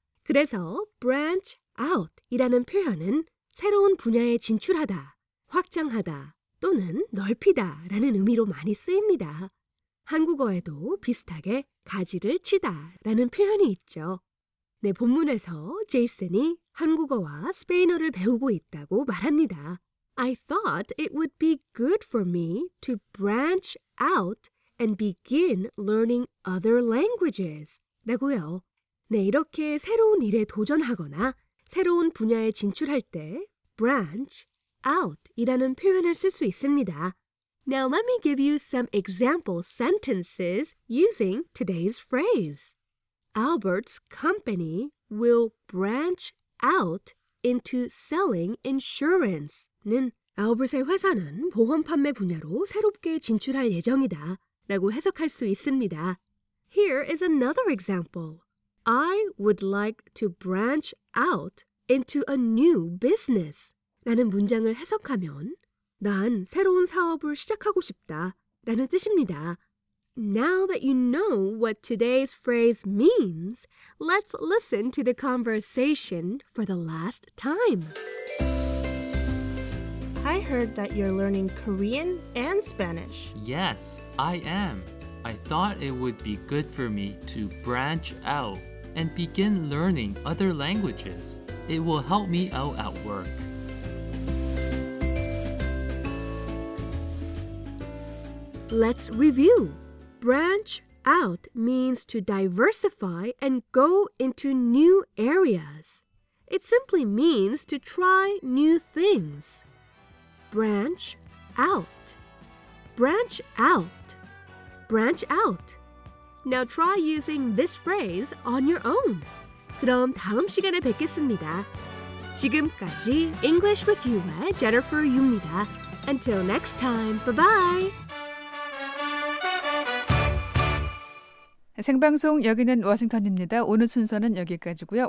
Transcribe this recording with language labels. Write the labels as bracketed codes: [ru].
[ko] 그래서 branch out이라는 표현은 새로운 분야에 진출하다, 확장하다 또는 넓히다 라는 의미로 많이 쓰입니다. 한국어에도 비슷하게 가지를 치다 라는 표현이 있죠. 네, 본문에서 제이슨이 한국어와 스페인어를 배우고 있다고 말합니다. [en] I thought it would be good for me to branch out and begin learning other languages. [ko] 라고요. 네, 이렇게 새로운 일에 도전하거나 새로운 분야에 진출할 때 branch out이라는 표현을 쓸 수 있습니다. [en] Now let me give you some example sentences using today's phrase. Albert's company will branch out into selling insurance. [ko] 는 알버트의 회사는 보험 판매 분야로 새롭게 진출할 예정이다 라고 해석할 수 있습니다. [en] Here is another example. I would like to branch out into a new business. [ko] 라는 문장을 해석하면 난 새로운 사업을 시작하고 싶다 라는 뜻입니다. [en] Now that you know what today's phrase means, let's listen to the conversation for the last time. heard that you're learning Korean and Spanish. Yes, I am. I thought it would be good for me to branch out and begin learning other languages. It will help me out at work. Let's review. Branch out means to diversify and go into new areas. It simply means to try new things. Branch out. Branch out. Branch out. Now try using this phrase on your own. [ko] 그럼 다음 시간에 뵙겠습니다. 지금까지 English with You의 Jennifer Yu입니다. [en] Until next time, bye-bye! [ko] 생방송 여기는 워싱턴입니다. 오늘 순서는 여기까지고요.